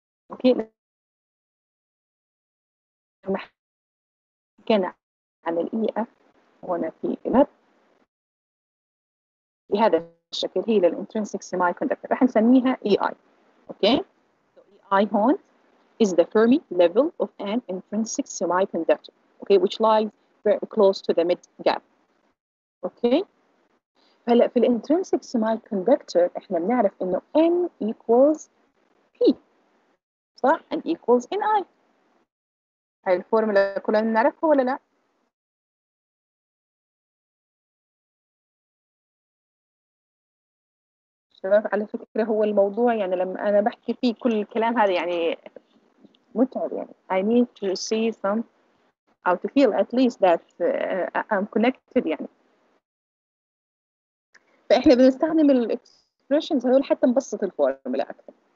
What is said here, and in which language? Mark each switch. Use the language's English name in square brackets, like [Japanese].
[Arabic] اوكي لما حكينا عن الـ EF هنا في الـ بهذا الشكل هي للـ intrinsic semiconductor راح نسميها EI. [English] Okay? EI هون is the Fermi level of an intrinsic semiconductor, okay, which lies very close to the mid gap. Okay? [Arabic] هلا في الانترنسك semiconductor احنا بنعرف انه N equals P. صح؟ N equals NI. هاي الفورمولا كلنا بنعرفها ولا لا؟ شباب على فكرة هو الموضوع يعني لما أنا بحكي فيه كل الكلام هذا يعني متعب يعني [English] I need to see some or to feel at least that I'm connected [Arabic] يعني فإحنا بنستخدم الـ expressions هذول حتى نبسط الفورمولا أكثر